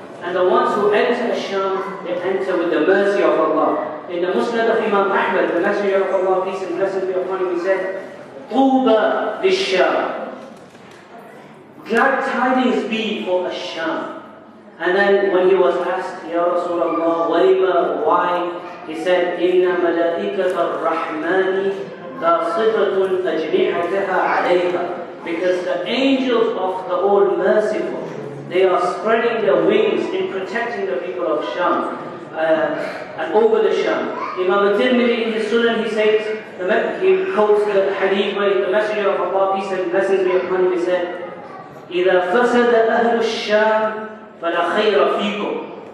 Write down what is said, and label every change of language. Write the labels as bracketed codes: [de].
[en] And the ones who enter Asham, they enter with the mercy of Allah. In the Musnad of Imam Ahmad, the Messenger of Allah, peace and blessings be upon him, he said, [ar] طُوبَ لِلشَّامِ. [en] Glad tidings be for Asham. And then when he was asked, [ar] Ya Rasulullah, walima, [en] why? He said, [ar] إِنَّ مَلَائِكَةَ الرَّحْمَانِ تَصِفَةٌ أَجْنِحَتَهَا عَلَيْهَا. [en] Because the angels of the All Merciful, they are spreading their wings in protecting the people of Sham and over the Sham. Imam al-Tirmidhi in his Sunan, he says, he quotes the hadith where the Messenger of Allah, peace and blessings be upon him, he said, [ar] إِذَا فَسَدَ أَهْلُ الشَّامِ فَلَا خَيْرَ فِيكُمْ.